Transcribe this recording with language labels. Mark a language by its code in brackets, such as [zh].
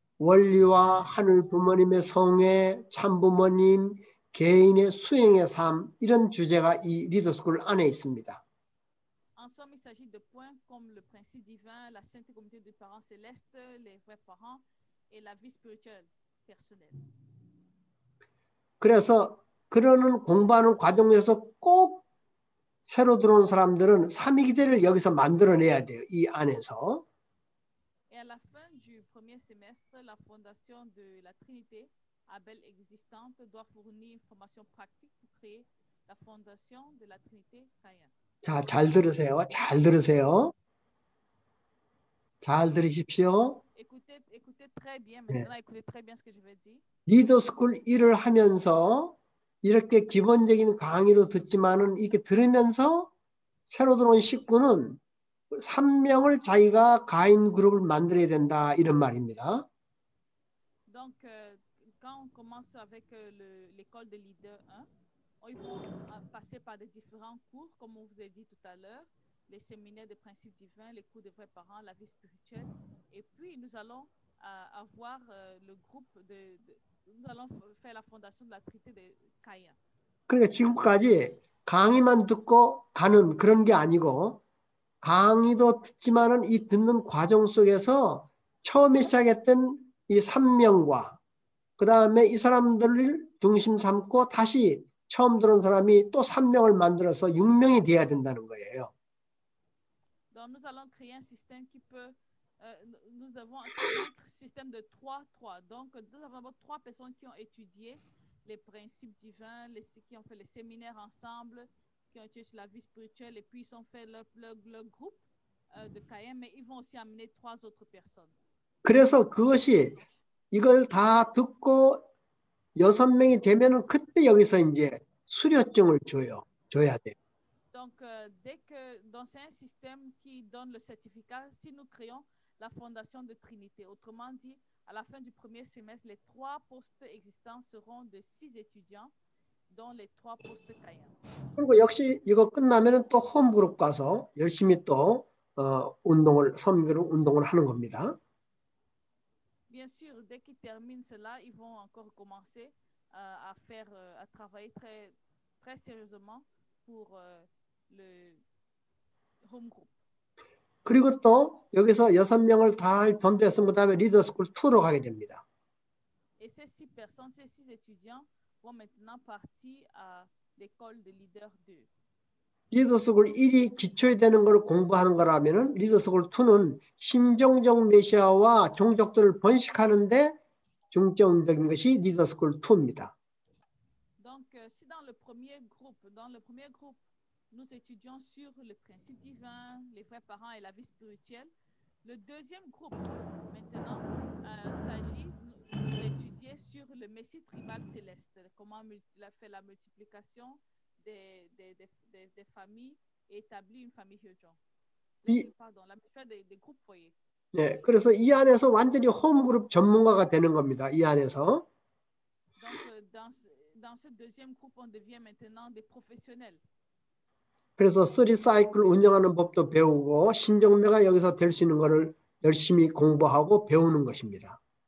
[ko] 원리와 하늘 부모님의 성애, 참부모님, 개인의 수행의 삶 이런 주제가 이 리더스쿨 안에 있습니다. [fr] En somme, il s'agit de points comme le principe divin, la sainte communauté des parents célestes, les vrais parents et la vie spirituelle personnelle. [ko] 그래서 그러는 공부하는 과정에서 꼭 새로 들어온 사람들은 삼위기대를 여기서 만들어내야 돼요. 이 안에서. [fr] Et à la fin du premier semestre, la fondation de la Trinité, Abel existante, doit fournir une formation pratique pour créer la fondation de la Trinité Kayan. [ko] 자, 잘 들으세요. 잘 들으세요. 잘 들으십시오. [fr] Écoutez très bien. Maintenant, 네. Écoutez très bien ce que je vais dire. [ko] 리더 스쿨 일을 하면서 이렇게 기본적인 강의로 듣지만은 이렇게 들으면서 새로 들어온 식구는 3명을 자기가 가인 그룹을 만들어야 된다 이런 말입니다. [fr] Donc quand on commence avec l'école de leader 1, on peut passer par des différents cours comme on vous a dit tout à l'heure, les séminaires de principes divins, les cours de vrais parents, la vie spirituelle et puis nous allons avoir le groupe de nous allons faire la fondation de la Trinité de Kayan. [ko] 그러니까 지금까지 강의만 듣고 가는 그런 게 아니고 강의도 듣지만은 이 듣는 과정 속에서 처음에 시작했던 이 3명과 그 다음에 이 사람들을 중심 삼고 다시 처음 들은 사람이 또 3명을 만들어서 6명이 되어야 된다는 거예요. [fr] Donc nous allons créer un système qui peut nous avons un système de 3-3. Donc nous avons 3 personnes qui ont étudié les principes divins, qui ont fait les séminaires ensemble. Qui ont été sur la vie spirituelle et puis ils ont fait leur groupe de Kayan, mais ils vont aussi amener 3 autres personnes. [ko] 그래서 그것이 이걸 다 듣고 6명이 되면은 그때 여기서 이제 수료증을 줘야 돼. [fr] Donc dès que dans un système qui donne le certificat, si nous créons la fondation de Trinité, autrement dit, à la fin du premier semestre, les 3 postes existants seront de 6 étudiants. Dans les 3 postes Kayan. [ko] 그리고 역시 이거 끝나면은 또 홈 그룹 가서 열심히 또 운동을 섬기는 운동을 하는 겁니다. [fr] Bien sûr, dès qu'ils terminent cela, ils vont encore commencer à faire à travailler très très sérieusement pour le home group. [ko] 그리고 또 여기서 여섯 명을 다 전도했음 그다음에 리더 스쿨 2로 가게 됩니다. [fr] Et ces six personnes, ces six étudiants vont maintenant partir à l'école de leader 2. [ko] 리더 스쿨 1이 기초에 되는 걸 공부하는 거라면은 리더 스쿨 2는 신정적 메시아와 종족들을 번식하는데 중점적인 것이 리더 스쿨 2입니다. [fr] Donc si dans le premier groupe, nous étudions sur le principe divin, les vrais parents et la vie spirituelle. Le deuxième groupe, maintenant, s'agit d'étudier sur le messie tribal céleste, comment il a fait la multiplication des familles et établit une famille Hyojong. Pardon, la méthode des groupes foyers. [ko] 네, 그래서 이 안에서 완전히 홈그룹 전문가가 되는 겁니다. 이 안에서. [fr] Donc, dans ce deuxième groupe, on devient maintenant des professionnels. [ko] 그래서 쓰리 사이클 운영하는 법도 배우고 신정매가 여기서 될 수 있는 것을 열심히 공부하고 배우는 것입니다.